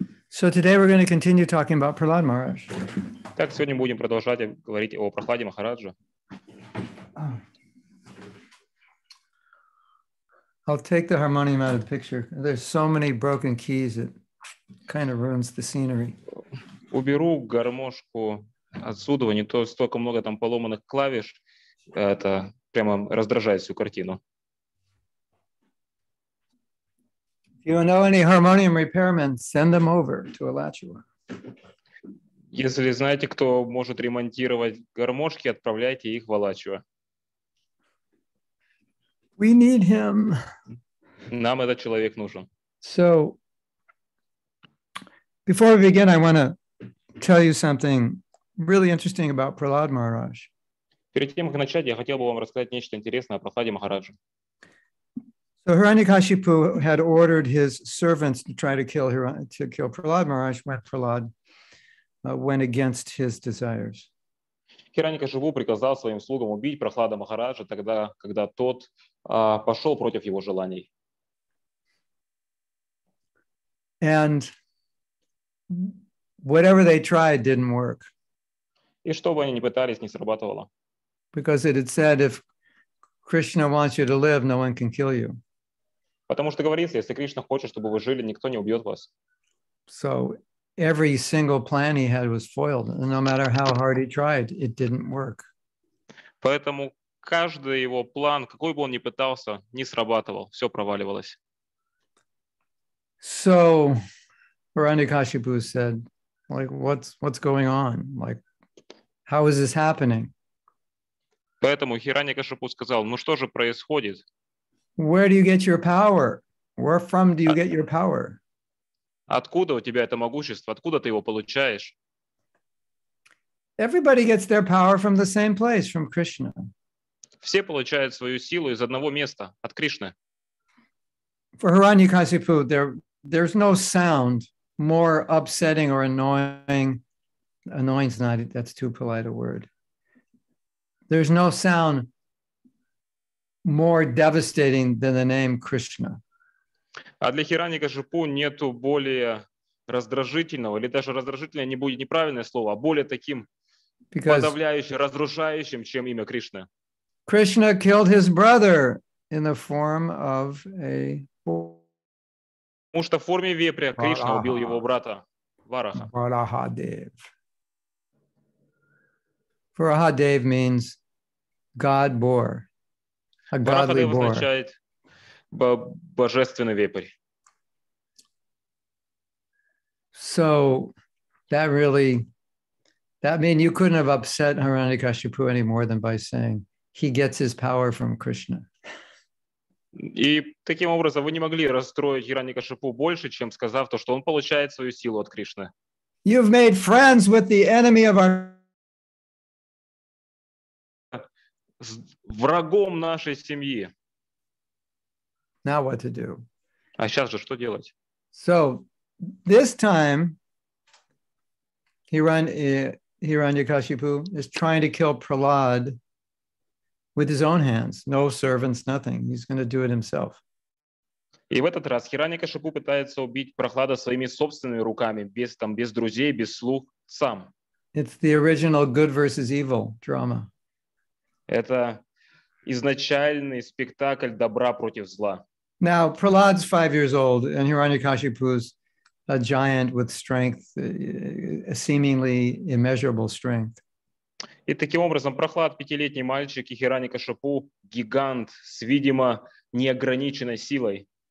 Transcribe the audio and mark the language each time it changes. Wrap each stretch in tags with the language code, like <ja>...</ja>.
<en>So today we're going to continue talking about Prahlad Maharaj.</en> <ru>Так, сегодня будем продолжать говорить о Прахладе Махараджа.</ru> <en>I'll take the harmonium out of the picture. There's so many broken keys, it kind of ruins the scenery.</en> <ru>Уберу гармошку отсюда, не то столько много там поломанных клавиш, это прямо раздражает всю картину.</ru> <en>If you know any harmonium repairmen, send them over to Alachua.</en> <ru>Если знаете, кто может ремонтировать гармошки, отправляйте их в Алачуа.</ru> <en>We need him.</en> <ru>Нам этот человек нужен.</ru> <en>So, before we begin, I want to tell you something really interesting about Prahlad Maharaj.</en> <ru>Перед тем, как начать, я хотел бы вам рассказать нечто интересное о Прахладе Махараджа.</ru> <en>So Hiranyakashipu had ordered his servants to try to kill Prahlad Maharaj when Prahlad went against his desires.</en> <ru>Hiranyakashipu приказал своим слугам убить Прахлада Махараджа тогда, когда тот пошел против его желаний.</ru> <en>And whatever they tried didn't work.</en> <ru>И что бы они ни пытались, не срабатывало.</ru> <en>Because it had said, if Krishna wants you to live, no one can kill you.</en> <ru>Потому что говорится, если Кришна хочет, чтобы вы жили, никто не убьет вас.</ru> <en>So every single plan he had was foiled, and no matter how hard he tried, it didn't work.</en> <ru>Поэтому каждый его план, какой бы он ни пытался, не срабатывал, все проваливалось.</ru> <en>So Hiranyakashipu said, like, what's going on? Like, how is this happening?</en> <ru>Поэтому Hiranyakashipu сказал, ну что же происходит?</ru> <en>Where do you get your power? Where from do you get your power?</en> <ru>Откуда у тебя это могущество? Откуда ты его получаешь?</ru> <en>Everybody gets their power from the same place, from Krishna.</en> <ru>Все получают свою силу из одного места, от Кришны.</ru> <en>For Hiranyakashipu, there's no sound more upsetting or annoying. Annoying is not, that's too polite a word. There's no sound more devastating than the name Krishna.</en> <ru>А для Hiranyakashipu нету более раздражительного, или даже раздражительное не будет неправильное слово, а более таким подавляющим, разрушающим, чем имя Кришны.</ru> <en>Krishna killed his brother in the form of a...</en> <ru>Потому что в форме вепря Кришна убил его брата Вараха. Варахадев.</ru> <en>Варахадев means God boar. A godly boar.</en> <ru>Божественный вепрь.</ru> <en>So that really, that mean you couldn't have upset Hiranyakashipu any more than by saying he gets his power from Krishna.</en> <ru>И таким образом вы не могли расстроить Hiranyakashipu больше, чем сказав то, что он получает свою силу от Кришны.</ru> <en>You've made friends with the enemy of our...</en> <ru>С врагом нашей семьи.</ru> <en>Now what to do?</en> <ru>А сейчас же что делать?</ru> <en>So, this time, Hiranyakashipu is trying to kill Prahlad with his own hands. No servants, nothing. He's going to do it himself.</en> <ru>И в этот раз Hiranyakashipu пытается убить Прахлада своими собственными руками, без друзей, без слуг, сам.</ru> <en>It's the original good versus evil drama.</en> <ru>Это изначальный спектакль добра против зла.</ru> <en>Now, Prahlad's 5 years old, and Hiranyakashipu's a giant with strength, a seemingly immeasurable strength.</en> <ru>И таким образом, Прахлад — пятилетний мальчик, и Hiranyakashipu — гигант с, видимо, неограниченной силой.</ru>